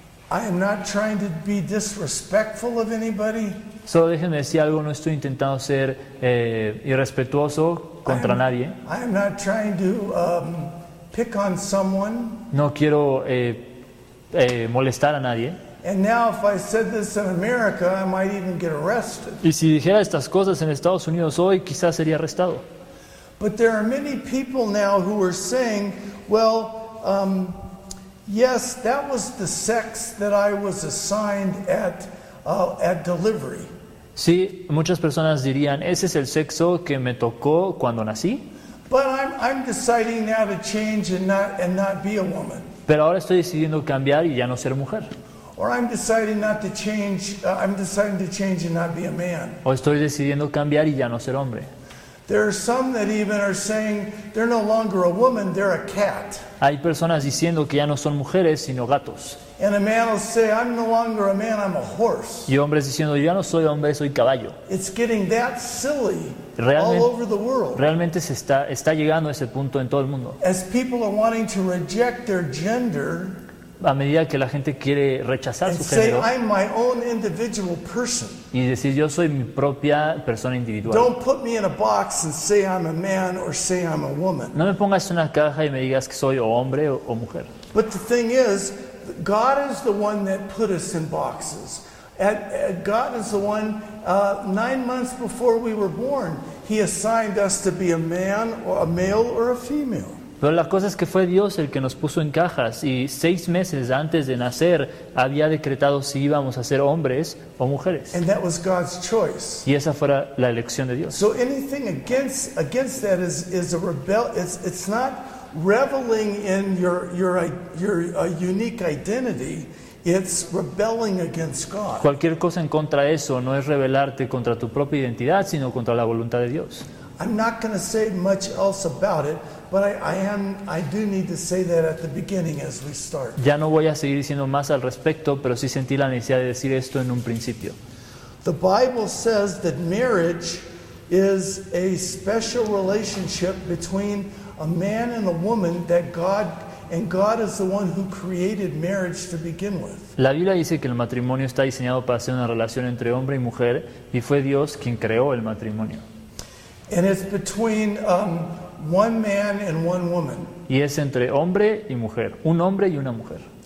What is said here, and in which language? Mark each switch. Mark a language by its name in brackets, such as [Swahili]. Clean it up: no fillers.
[English] I am not trying to be disrespectful of anybody. [Spanish] Solo déjenme decir algo, no estoy intentando ser irrespetuoso contra nadie. [English] I am not trying to pick on someone. [Spanish] No quiero molestar a nadie. [English] And now if I said this in America, I might even get arrested. [Spanish] Y si dijera estas cosas en Estados Unidos hoy, quizás sería arrestado. [English] But there are many people now who are saying, well, yes, that was the sex that I was assigned at delivery. [Spanish] Sí, muchas personas dirían, ese es el sexo que me tocó cuando nací. [English] But I'm deciding now to change and not be a woman. [Spanish] Pero ahora estoy decidiendo cambiar y ya no ser mujer. [English] Or I'm deciding to change and not be a man. [Spanish] O estoy decidiendo cambiar y ya no ser hombre. [English] There are some that even are saying they're no longer a woman, they're a cat. [Spanish] Hay personas diciendo que ya no son mujeres, sino gatos. [English] And a man will say, I'm no longer a man, I'm a horse. [Spanish] Y hombres diciendo, ya no soy hombre, soy caballo. [English] It's getting that silly all over the world. [Spanish] Realmente se está llegando a ese punto en todo el mundo. [English] As people are wanting to reject their gender, [Spanish] a medida que la gente quiere rechazar [English] and [Spanish] su género, [English] say, I'm my own individual person. [Spanish] Y decir, yo soy mi propia persona individual. [English] Don't put me in a box and say I'm a man or say I'm a woman. [Spanish] No me pongas en una caja y me digas que soy o hombre o mujer. [English] But the thing is, God is the one that put us in boxes. God is the one, 9 months before we were born, he assigned us to be a man, or a male, or a female. [Spanish] Pero la cosa es que fue Dios el que nos puso en cajas y 6 meses antes de nacer había decretado si íbamos a ser hombres o mujeres. [English] And that was God's choice. [Spanish] Y esa fuera la elección de Dios. [English] So anything against that is a rebel. It's not reveling in your unique identity, it's rebelling against God. [Spanish] Cualquier cosa en contra de eso no es rebelarte contra tu propia identidad, sino contra la voluntad de Dios. [English] I'm not going to say much else about it, but I do need to say that at the beginning as we start. [Spanish] Ya no voy a seguir diciendo más al respecto, pero sí sentí la necesidad de decir esto en un principio. [English] The Bible says that marriage is a special relationship between a man and a woman that God is the one who created marriage to begin with. [Spanish] La Biblia dice que el matrimonio está diseñado para ser una relación entre hombre y mujer y fue Dios quien creó el matrimonio. [English] And it's between one man and one woman. [Spanish] Y es entre hombre y mujer, un hombre y una mujer.